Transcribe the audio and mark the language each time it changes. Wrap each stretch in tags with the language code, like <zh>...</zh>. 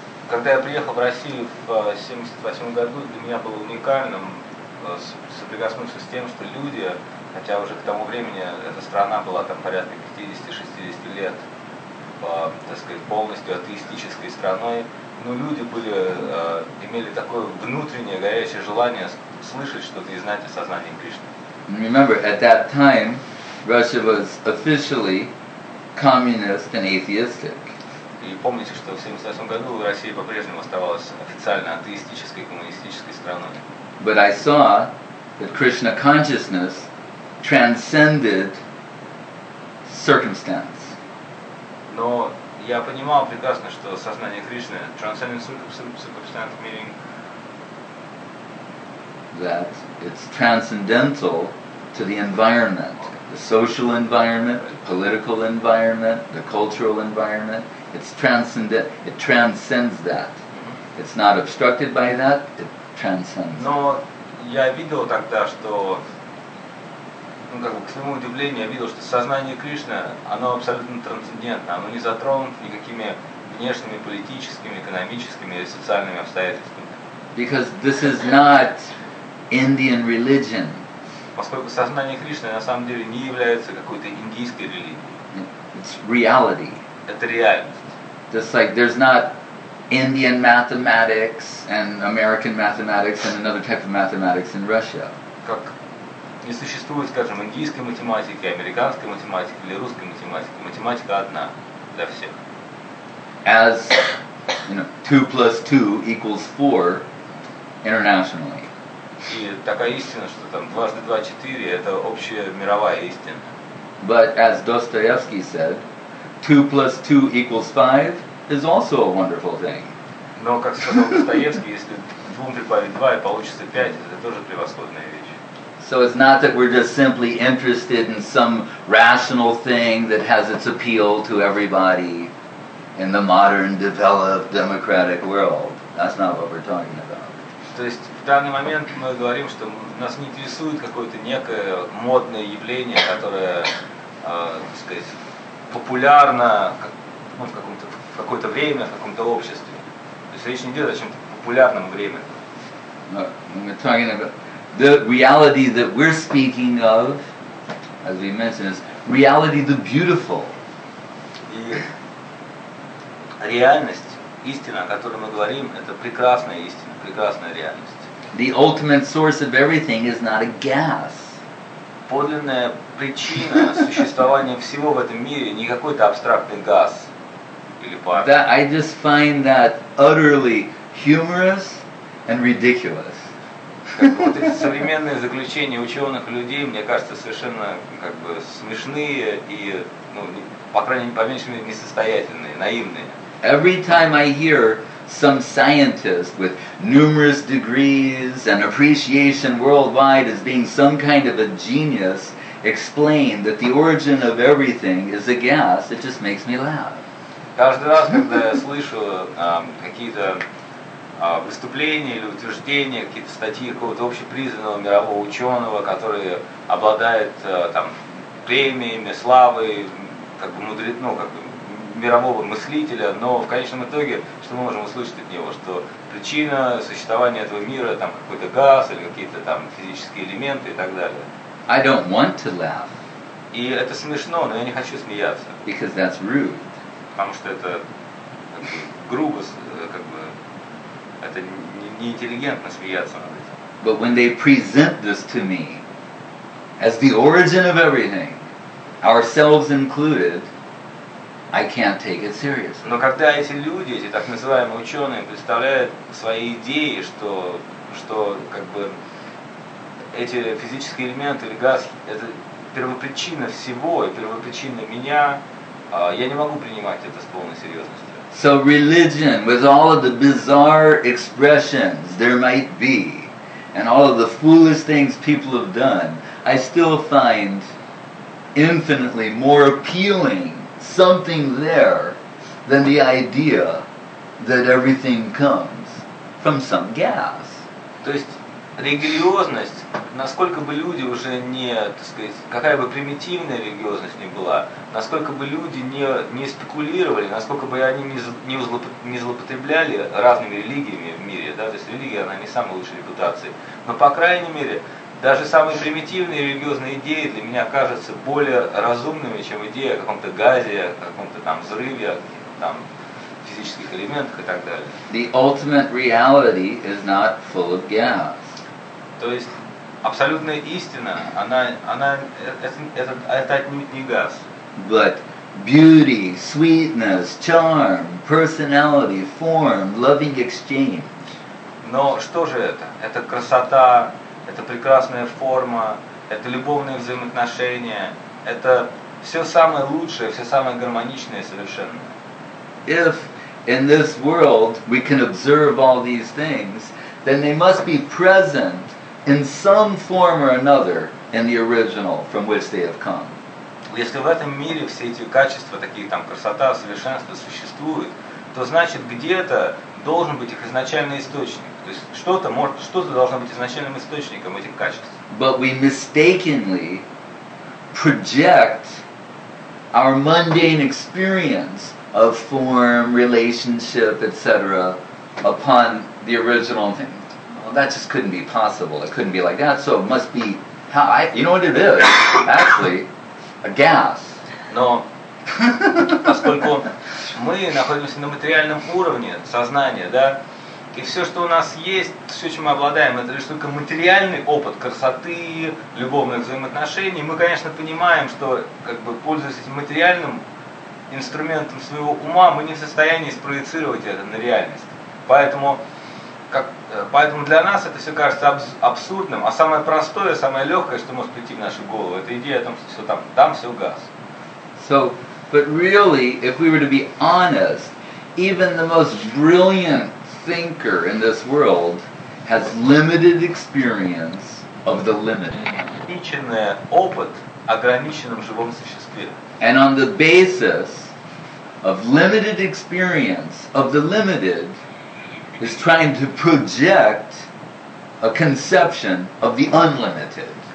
<ru>Когда я приехал в Россию в 78 году, для меня было уникальным соприкоснуться с тем, что люди, хотя уже к тому времени эта страна была там порядка 50-60 лет, так сказать, полностью атеистической страной, но люди были, имели такое внутреннее горячее желание слышать что-то и знать о сознании Кришны.</ru> <en>Remember, at that time, Russia was officially communist and atheistic.</en> <ru>И помните, что в 78 году Россия по-прежнему оставалась официально атеистической, коммунистической страной.</ru> <en>But I saw that Krishna consciousness transcended circumstance.</en> <ru>Но я понимал прекрасно, что сознание Кришны</ru> <en>transcended circumstance, meaning that it's transcendental to the environment, the social environment, the political environment, the cultural environment. It's transcendent. It transcends that. It's not obstructed by that. It transcends.</en> <ru>Но я видел тогда, что, ну как бы к своему удивлению, я видел, что сознание Кришны, оно абсолютно трансцендентно. Оно не затронуто никакими внешними, политическими, экономическими или социальными обстоятельствами.</ru> <en>Because this is not Indian religion.</en> <ru>Поскольку сознание Кришны на самом деле не является какой-то индийской религией.</ru> <en>It's reality.</en> <ru>Это реальность.</ru> <en>Just like there's not Indian mathematics and American mathematics and another type of mathematics in Russia.</en> <ru>Как не существует, скажем, индийской математики, американской математики или русской математики. Математика одна для всех.</ru> <en>As you know, 2 + 2 = 4 internationally.</en> <ru>И такая истина, что там 2 + 2 = 4, это общая мировая истина.</ru> <en>But as Dostoevsky said, 2 + 2 = 5. Is also a wonderful thing.</en> <ru>Но как сказал Достоевский, если 2 + 2 и получится 5, это тоже превосходная вещь.</ru> <en>So it's not that we're just simply interested in some rational thing that has its appeal to everybody in the modern developed democratic world. That's not what we're talking about.</en> <ru>То есть в данный момент мы говорим, что нас не интересует какое-то некое модное явление, которое, так сказать, популярно, ну, в какое-то время, в каком-то обществе. То есть речь не идет о чем-то популярном времени.</ru> <en>We're talking about the reality that we're speaking of, as we mentioned, is reality the beautiful.</en> <ru>И реальность, истина, о которой мы говорим, это прекрасная истина, прекрасная реальность.</ru> <en>The ultimate source of everything is not a gas.</en> <ru>Подлинная причина существования всего в этом мире не какой-то абстрактный газ.</ru> <en>That I just find that utterly humorous and ridiculous.</en> <ru>Современные заключения ученых людей, мне кажется, совершенно как бы смешные и, ну, по крайней мере, по меньшей мере, несостоятельные, наивные.</ru> <en>Every time I hear some scientist with numerous degrees and appreciation worldwide as being some kind of a genius, explain that the origin of everything is a gas, it just makes me laugh.</en> <ru>Каждый раз, когда я слышу какие-то выступления или утверждения, какие-то статьи какого-то общепризнанного мирового ученого, который обладает там премиями, славой, как бы мудрец, ну, как бы мирового мыслителя, но в конечном итоге, что мы можем услышать от него, что причина существования этого мира, там какой-то газ или какие-то там физические элементы и так далее.</ru> <en>I don't want to laugh.</en> <ru>И это смешно, но я не хочу смеяться.</ru> <en>Because that's rude.</en> <ru>Потому что это как бы, грубо, как бы это неинтеллигентно смеяться над этим.</ru> <en>But when they present this to me as the origin of everything, ourselves included, I can't take it seriously.</en> <ru>Но когда эти люди, эти так называемые ученые, представляют свои идеи, что, что как бы эти физические элементы или газ это первопричина всего и первопричина меня. Я не могу принимать это с полной серьезностью.</ru> <en>So religion, with all of the bizarre expressions there might be, and all of the foolish things people have done, I still find infinitely more appealing something there than the idea that everything comes from some gas.</en> <ru>То есть религиозность, насколько бы люди уже не, так сказать, какая бы примитивная религиозность ни была, насколько бы люди не спекулировали, насколько бы они не злоупотребляли разными религиями в мире, да, то есть религия, она не самая лучшая репутация. Но, по крайней мере, даже самые примитивные религиозные идеи для меня кажутся более разумными, чем идея о каком-то газе, о каком-то там взрыве, там, физических элементах и так далее.</ru> <en>The ultimate reality is not full of gas.</en> <ru>То есть абсолютная истина, это отнюдь не газ.</ru> <en>But beauty, sweetness, charm, personality, form, loving exchange.</en> <ru>Но что же это? Это красота, это прекрасная форма, это любовные взаимоотношения, это все самое лучшее, все самое гармоничное и совершенное.</ru> <en>If in this world we can observe all these things, then they must be present in some form or another in the original from which they have come.</en> <ru>Если в этом мире все эти качества, такие там красота, совершенство существуют, то значит где-то должен быть их изначальный источник. То есть что-то может, что-то должно быть изначальным источником этих качеств.</ru> <en>But we mistakenly project our mundane experience of form, relationship, etc. upon the original thing. That just couldn't be possible. It couldn't be like that. So it must be how I. You know what it is? Actually, a gas.</en> <ru>Но поскольку мы находимся на материальном уровне сознания, да, и все, что у нас есть, все, чем мы обладаем, это лишь только материальный опыт красоты, любовных взаимоотношений. Мы, конечно, понимаем, что как бы пользуясь этим материальным инструментом своего ума, мы не в состоянии спроецировать это на реальность. Поэтому поэтому для нас это все кажется абсурдным, а самое простое, самое легкое, что может прийти в нашу голову, это идея о том, что все там все газ.</ru> <en>So, but really, if we were to be honest, even the most brilliant thinker in this world has limited experience of the limited.</en> <ru>Ограниченный опыт ограниченном живом существе.</ru> <en>And on the basis of limited experience of the limited, is trying to project a conception of the unlimited.</en>